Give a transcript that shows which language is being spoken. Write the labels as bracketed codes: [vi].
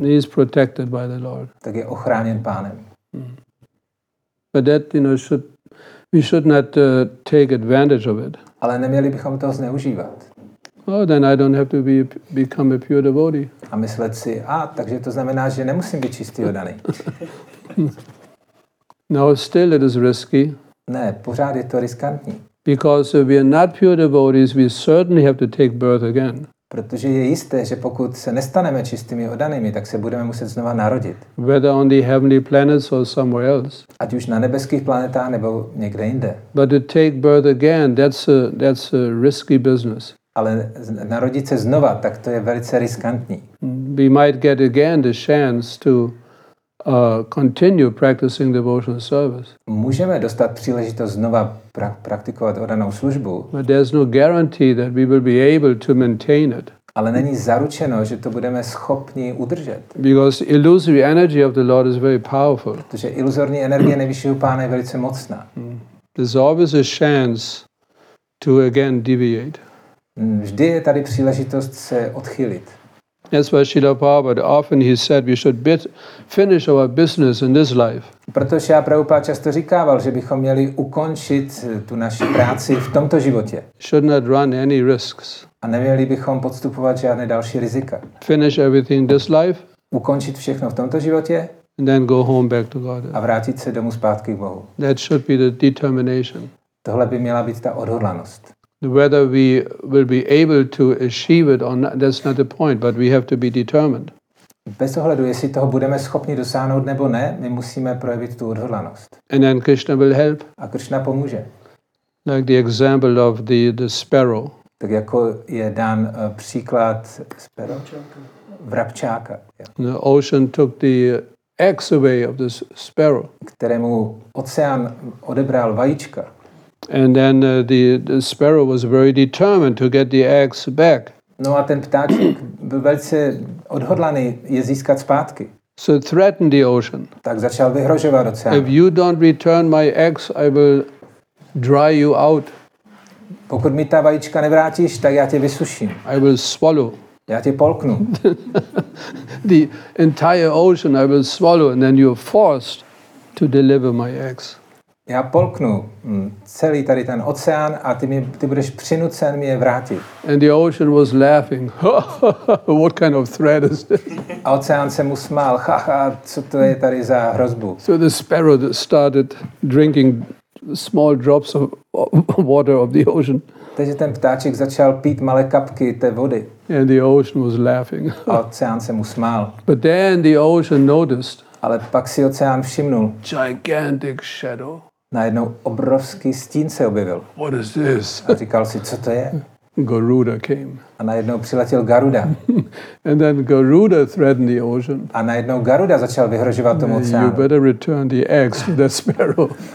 [en] He is protected by the Lord. [cs] Tak je ochráněn pánem. [en] But that, you know, we should not take advantage of it. [cs] Ale neměli bychom toho zneužívat. [en] Well, then I don't have to become a pure devotee. [cs] A myslet si, takže to znamená, že nemusím být čistý oddaný. [en] No, still it is risky. [cs] Ne, pořád je to riskantní. [en] Because if we are not pure devotees, we certainly have to take birth again. [cs] Protože je jisté, že pokud se nestaneme čistými oddanými, tak se budeme muset znova narodit. [en] Whether on the heavenly planets or somewhere else. [cs] Ať už na nebeských planetách nebo někde jinde. [en] But to take birth again, that's a risky business. [cs] Ale narodit se znova, tak to je velice riskantní. [en] We might get again the chance to continue practicing devotional service. [cs] Můžeme dostat příležitost znova praktikovat oddanou službu. [en] But there's no guarantee that we will be able to maintain it. [cs] Ale není zaručeno, že to budeme schopni udržet. [en] Because illusory energy of the Lord is very powerful. [cs] Protože iluzorní energie nejvyššího pána je velice mocná. [en] There's always a chance to again deviate. [cs] Vždy je tady příležitost se odchýlit. [en] That's why Srila Prabhupada often he said we should finish our business in this life. [cs] Protože Srila Prabhupada často říkával, že bychom měli ukončit tu naši práci v tomto životě. [en] Should not run any risks. [cs] A neměli bychom podstupovat žádné další rizika. [en] Finish everything this life. [cs] Ukončit všechno v tomto životě. [en] And then go home back to God. [cs] A vrátit se domů zpátky k Bohu. [en] That should be the determination. [cs] Tohle by měla být ta odhodlanost. [en] Whether we will be able to achieve it or not, that's not the point, but we have to be determined. [cs] Bez ohledu, jestli toho budeme schopni dosáhnout nebo ne, my musíme projevit tu odhodlanost. [en] And then Krishna will help. [cs] A Krishna pomůže. [en] Like the example of the sparrow. [cs] Tak jako je dán příklad sparrow? Vrabčáka. [en] The ocean took the eggs away of the sparrow. [cs] Kterému oceán odebral vajíčka. [en] And then the sparrow was very determined to get the eggs back. [cs] No a ten ptáček byl velice odhodlaný je získat zpátky. [en] So threatened the ocean. [cs] Tak začal vyhrožovat oceán. [en] If you don't return my eggs, I will dry you out. [cs] Pokud mi ta vajíčka nevrátíš, tak já tě vysuším. [en] I will swallow. [cs] Já tě polknu. [en] The entire ocean I will swallow and then you're forced to deliver my eggs. [cs] Já polknu celý tady ten oceán a ty budeš přinucen mi je vrátit. [en] And the ocean was laughing. What kind of threat is this? [cs] A oceán se mu smál. Haha, co to je tady za hrozbu? [en] So the sparrow started drinking small drops of water of the ocean. [cs] Takže ten ptáček začal pít malé kapky té vody. [en] And the ocean was laughing. [cs] A oceán se mu smál. [en] But then the ocean noticed. [cs] Ale pak si oceán všimnul. [en] Gigantic shadow. [cs] Najednou obrovský stín se objevil. [en] What is this? [cs] A říkal si, co to je? [en] Garuda came. [cs] A najednou přiletěl Garuda. [en] And then Garuda threatened the ocean. [cs] A najednou Garuda začal vyhrožovat tomu oceánu. [en] You better return the eggs to the sparrow.